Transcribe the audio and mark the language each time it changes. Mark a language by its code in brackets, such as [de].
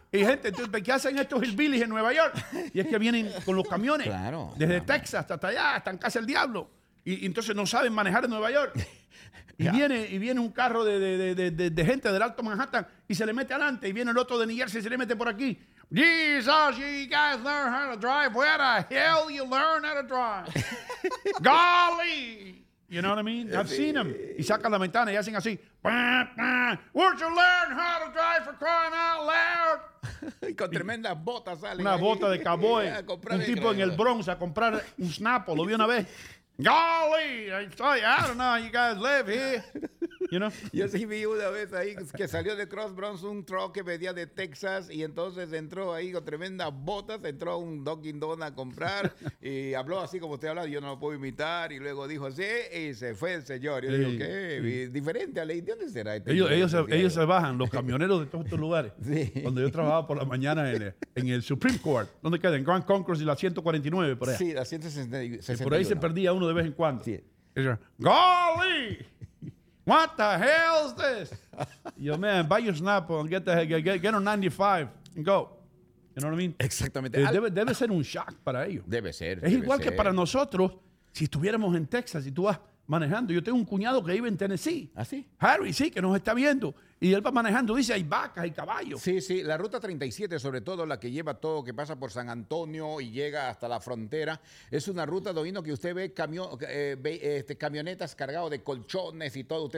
[es] Y gente, entonces, ¿qué hacen estos hillbillies en Nueva York? Y es que vienen con los camiones, claro, desde Texas hasta allá, hasta en casa del diablo. Y entonces no saben manejar en Nueva York. Y viene un carro de gente del Alto Manhattan y se le mete adelante. Y viene el otro de New Jersey y se le mete por aquí. [en] Jesus, you guys learn how to drive. Where the hell you learn how to drive? Golly! You know what I mean? I've seen them. [es] Y sacan la ventana y hacen así. [en] Where'd you learn how to drive for crying out loud? [es] Y con tremendas botas salen. Una ahí. Bota de cowboy. Un tipo en el Bronx a comprar un Snapple. Lo vi una vez. [en] Golly, I don't know how you guys live here. You know? [es] Yo sí vi una vez ahí que salió de Cross Bronx un truck que venía de Texas y entonces entró ahí con tremendas botas, entró a un Dunkin' Donuts a comprar y habló así como usted habla, yo no lo puedo imitar, y luego dijo así y se fue el señor. Yo digo, ¿qué? Sí. Diferente a la idea, ¿de dónde será este? Ellos se bajan, los camioneros de todos estos lugares. Sí. Cuando yo trabajaba por la mañana en el Supreme Court, ¿dónde queda? En Grand Concourse y la 149 por allá. Sí, la 169. Por ahí se perdía uno de vez en cuando. Sí. [en] ¡Golly! What the hell is this? Yo, man, buy your Snapple and get on 95 and go. You know what I mean? [es] Exactamente. Debe ser un shock para ellos. Debe ser. Es igual que para nosotros, si estuviéramos en Texas y tú vas manejando. Yo tengo un cuñado que vive en Tennessee. ¿Ah, sí? Harry, sí, que nos está viendo. Y él va manejando, dice, hay vacas, hay caballos. Sí, sí. La ruta 37, sobre todo, la que lleva todo, que pasa por San Antonio y llega hasta la frontera, es una ruta, Dovino, que usted ve camionetas cargadas de colchones y todo.